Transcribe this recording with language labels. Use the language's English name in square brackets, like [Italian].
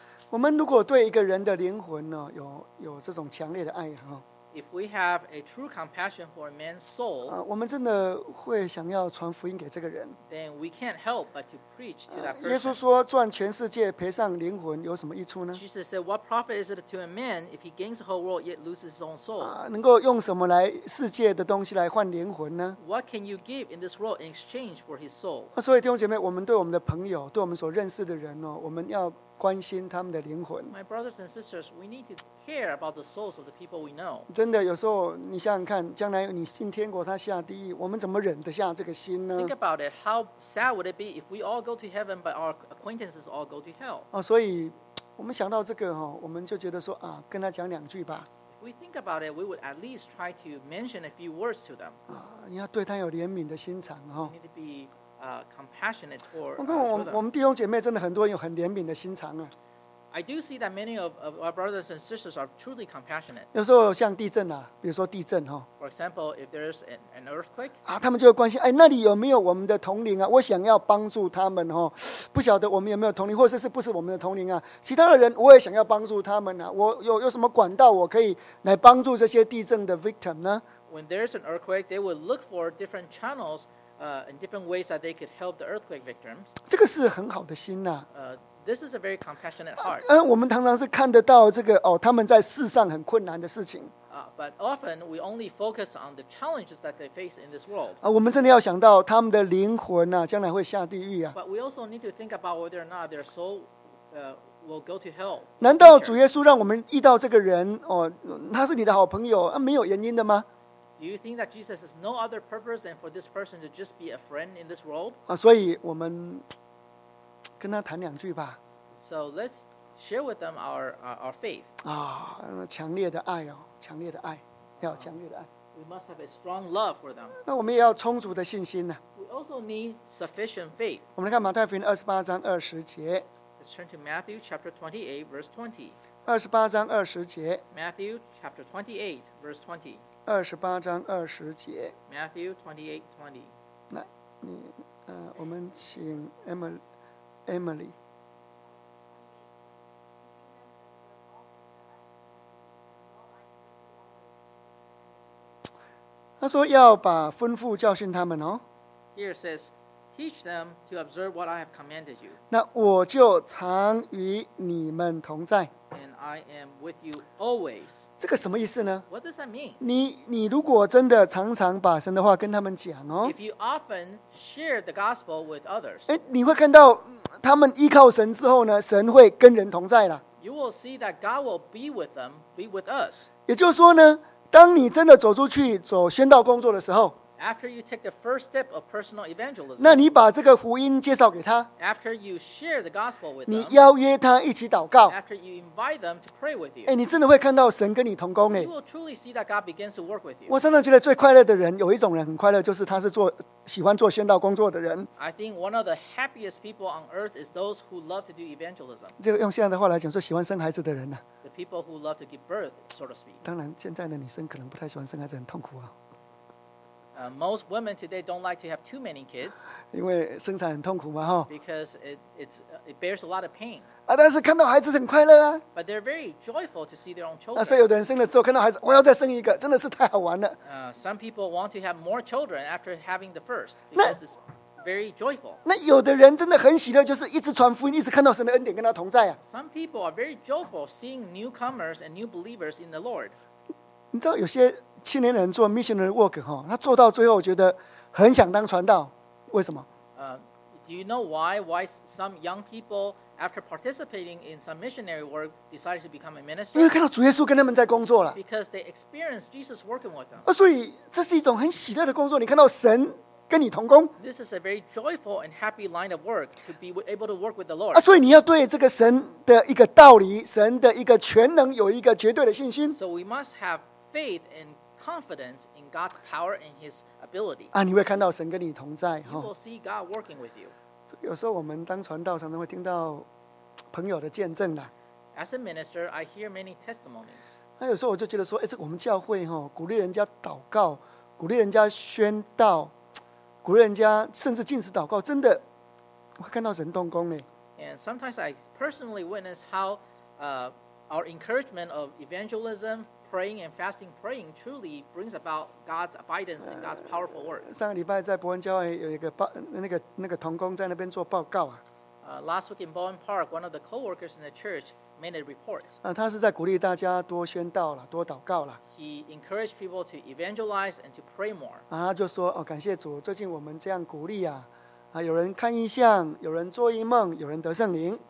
[Chinese] 我们如果对一个人的灵魂呢 有这种强烈的爱 [English] If we have a true compassion for a man's soul, [Chinese] 我们真的会想要传福音给这个人 [English] Then we can't help but to preach to that person. [Chinese] 耶稣说赚全世界赔上灵魂有什么益处呢 [English] Jesus said, what profit is it to a man if he gains the whole world yet loses his own soul? [Chinese] 能够用什么来世界的东西来换灵魂呢 [English] What can you give in this world in exchange for his soul? [Chinese] 所以弟兄姐妹我们对我们的朋友对我们所认识的人呢我们要关心他们的灵魂。 [English] My brothers and sisters, we need to care about the souls of the people we know. [Chinese] 真的，有时候你想想看，将来你进天国，他下地狱，我们怎么忍得下这个心呢 [English] ？Think about it. How sad would it be if we all go to heaven, but our acquaintances all go to hell? [Chinese] 所以我们想到这个哈，我们就觉得说啊，跟他讲两句吧。 [English] If we think about it, we would at least try to mention a few words to them. [Chinese] 你要对他有怜悯的心肠哈。 [English] Need to be compassionate for. [Chinese] 我们弟兄姐妹真的很多人有很怜悯的心肠啊。 [English] I do see that many of our brothers and sisters are truly compassionate. [Chinese] 有时候像地震啊，比如说地震哈。 [English] For example, if there is an earthquake. [Chinese] 他们就会关心，哎，那里有没有我们的同龄啊？我想要帮助他们哈。不晓得我们有没有同龄，或者是不是我们的同龄啊？其他的人我也想要帮助他们啊。我有什么管道我可以来帮助这些地震的 victim 呢 [English] ？When there is an earthquake, they will look for different channels. In different ways that they could help the earthquake victims. [Chinese] 这个是很好的心呐、啊。 [English] This is a very compassionate heart. [Chinese] 我们常常是看得到这个哦，他们在世上很困难的事情。 [English] But often we only focus on the challenges that they face in this world. [Chinese] 我们真的要想到他们的灵魂呐、啊，将来会下地狱啊。 [English] But we also need to think about whether or not their soul, will go to hell. [Chinese] 难道主耶稣让我们遇到这个人哦，他是你的好朋友啊，没有原因的吗？ [English] Do you think that Jesus has no other purpose than for this person to just be a friend in this world? [Chinese] 所以我们跟他谈两句吧。 [English] So let's share with them our faith. [Chinese] 强烈的爱哦，强烈的爱，要强烈的爱。 [English] We must have a strong love for them. [Chinese] 那我们也要充足的信心呢。 [English] We also need sufficient faith. [Chinese] 我们来看马太福音28:20。 [English] Let's turn to Matthew chapter 28 verse 20. [Chinese] 28:20。 [English] Matthew chapter 28 verse 20. [Chinese] 28:20。 [English] Matthew 28:20。 [Chinese] 那，我们请 Emily。他说要把吩咐教训他们哦。 [English] Here says, teach them to observe what I have commanded you. [Chinese] 那我就常与你们同在。 [English] And I am with you always. [Chinese] 这个什么意思呢？ [English] What does that mean? [Chinese] 你如果真的常常把神的话跟他们讲哦。 [English] If you often share the gospel with others. [Chinese] 诶，你会看到他们依靠神之后呢，神会跟人同在了。 [English] You will see that God will be with them, be with us. [Chinese] 也就是说呢，当你真的走出去走宣道工作的时候， [English] After you take the first step of personal evangelism, [Chinese] 那你把这个福音介绍给他， [English] After you share the gospel with them, [Chinese] 你邀约他一起祷告， [English] After you invite them to pray with you, [Chinese] 诶，你真的会看到神跟你同工。 [English] You will truly see that God begins to work with you. [Chinese] 我常常觉得最快乐的人，有一种人很快乐，就是他是做喜欢做宣道工作的人。 [English] I think one of the happiest people on earth is those who love to do evangelism. [Chinese] 这个用现在的话来讲，说喜欢生孩子的人啊， [English] people who love to give birth, so to speak. [Chinese] 当然现在的女生可能不太喜欢生孩子，很痛苦啊。 [English] Most women today don't like to have too many kids. [Chinese] 因为生产很痛苦嘛，哦。 [English] Because it bears a lot of pain. [Chinese] 啊，但是看到孩子很快乐啊。 [English] But they're very joyful to see their own children. [Chinese] 啊，所以有的人生了之后看到孩子，我要再生一个，真的是太好玩了。 [English] Some people want to have more children after having the first. Because it's very joyful. [Chinese] 那有的人真的很喜乐，就是一直传福音，一直看到神的恩典跟他同在啊。 [English] Some people are very joyful seeing newcomers and new believers in the Lord. [Chinese] 你知道有些青年人做 [English] missionary work [Chinese] 哈，他做到最后，我觉得很想当传道，为什么？ [English] Do you know why some young people after participating in some missionary work decided to become a minister? [Chinese] 因为看到主耶稣跟他们在工作了。 [English] Because they experienced Jesus working with them. [Chinese] 所以这是一种很喜乐的工作，你看到神跟你同工。 [English] This is a very joyful and happy line of work to be able to work with the Lord. [Chinese] 所以你要对这个神的一个道理、神的一个全能有一个绝对的信心。 [English] So we must have faith and confidence in God's power and His ability. [Chinese] 你会看到神跟你同在。 [English] You will see God working with you. [Chinese] 有时候我们当传道，常常会听到朋友的见证啦。 [English] As a minister, I hear many testimonies. [Chinese] 那有时候我就觉得说，这个我们教会哈，鼓励人家祷告，鼓励人家宣道。鼓励人家甚至禁止祷告，真的会看到神动工呢。 [English] And sometimes I personally witness how our encouragement of evangelism, praying and fasting, praying truly brings about God's abidance and God's powerful work. [Chinese] 上个礼拜在伯恩教会有一个那个同工在那边做报告啊。 [English] Last week in Bowen Park, one of the co-workers in the church made a report. [Chinese] 他是在鼓励大家多宣道了，多祷告了。 [English] He encouraged people to evangelize and to pray more. [Chinese] 他就说，感谢主，最近我们这样鼓励啊，有人看异象，有人做异梦，有人得圣灵。